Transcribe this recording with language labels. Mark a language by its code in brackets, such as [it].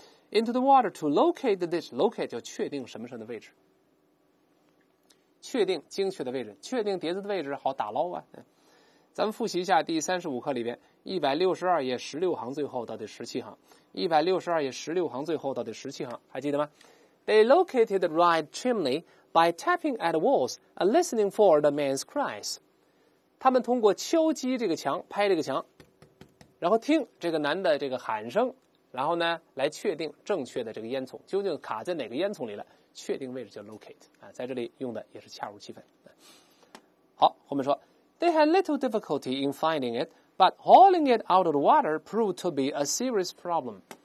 [en] Into the water to locate the dish， [zh] locate 叫确定什么什么的位置，确定精确的位置，确定碟子的位置好打捞啊。咱们复习一下第35课里边162页16行最后到第17行162页16行最后到第17行，还记得吗？ [en] They located the right chimney by tapping at the walls and listening for the man's cries. [zh] 他们通过敲击这个墙，拍这个墙，然后听这个男的这个喊声，然后呢来确定正确的这个烟囱究竟卡在哪个烟囱里了，确定位置叫 locate 啊，在这里用的也是恰如其分。好，后面说 [en] They had little difficulty in finding it, but hauling it out of the water proved to be a serious problem.